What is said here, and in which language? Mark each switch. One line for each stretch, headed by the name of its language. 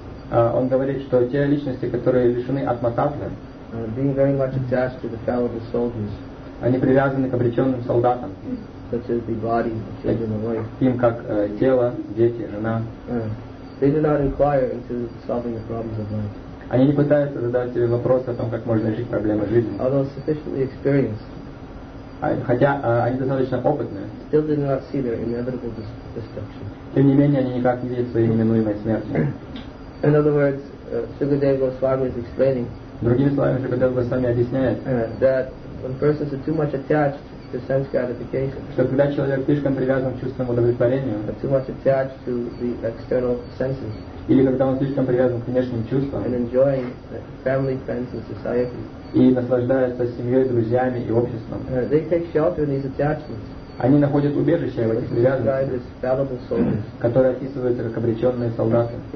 Russian: Он говорит, что те личности, которые лишены атма-таттвы,
English: being very much attached to the fallible soldiers,
Russian: они привязаны к обреченным солдатам,
English: such as the body, children, and wife,
Russian: им как тело, дети, жена.
English: They do not inquire into solving the problems of life.
Russian: Они не пытаются задавать себе вопрос о том, как можно решить проблемы жизни.
English: Although sufficiently experienced,
Russian: хотя они достаточно опытные,
English: still do not see their inevitable destruction.
Russian: Тем не менее, они никак не видят своей неминуемой смерти.
English: In other words, Sukadeva Goswami is explaining that when persons are too much attached to sense gratification, too much attached to the external senses,
Russian: или когда он слишком привязан к внешним чувствам,
English: and enjoying family, friends, and society,
Russian: и наслаждается семьей, друзьями и обществом,
English: they take shelter in these attachments.
Russian: Они находят убежище в этих привязанностях, которые описываются как обреченные солдаты.